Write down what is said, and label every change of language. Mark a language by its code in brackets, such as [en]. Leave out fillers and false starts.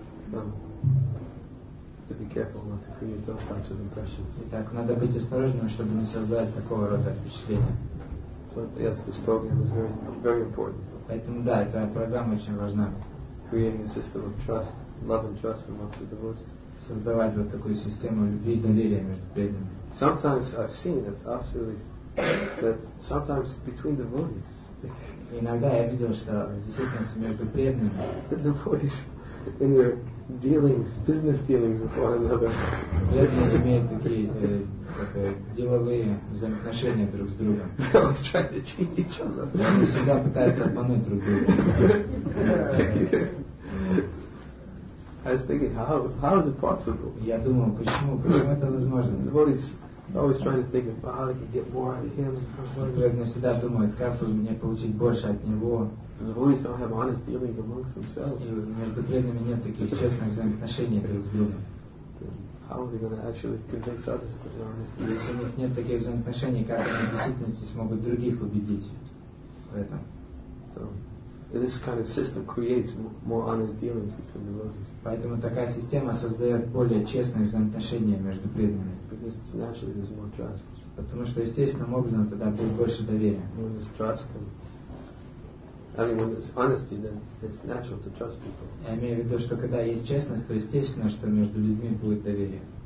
[en] So, to be careful not to create those types of impressions. [ru] Итак, надо быть осторожным, чтобы не создать такого рода впечатления. [en] So yes, this program is very, very important. [ru] Поэтому да, эта программа очень важна. [en] Creating a system of trust, love and trust amongst the devotees. [ru] Создавать вот такую систему любви и доверия между преданными. [en] Sometimes I've seen that's absolutely. That sometimes between the devotees. [ru] Иногда я видел, что в действительности между преданными. [en] The devotees in their dealings, business dealings with one another. [ru] Преданные имеют такие деловые взаимоотношения друг с другом. [en] They always try to cheat each other. [ru] Они всегда пытаются обмануть друг друга. [en] I was thinking, how is it possible? [ru] Я думал, почему это возможно? [en] The devotees. Always trying to think about how they can get more out of him. [ru] Преданные всегда думают, как бы мне получить больше от него. [en] The devotees don't have honest dealings amongst themselves. [ru] Между преданными нет таких честных взаимоотношений друг с другом. [en] How are they going to actually convince others that they're honest? [ru] Если у них нет таких взаимоотношений, как они в действительности смогут других убедить в этом? [en] So this kind of system creates more honest dealings between the devotees. [ru] Поэтому такая система создает более честные взаимоотношения между преданными. [en] Naturally, there's more trust. [ru] Потому что естественным образом тогда будет больше доверия. [en] When there's trust, and, I mean, when there's honesty, then it's natural to trust people. [ru] Я имею в виду, что когда есть честность, то естественно, что между людьми будет доверие.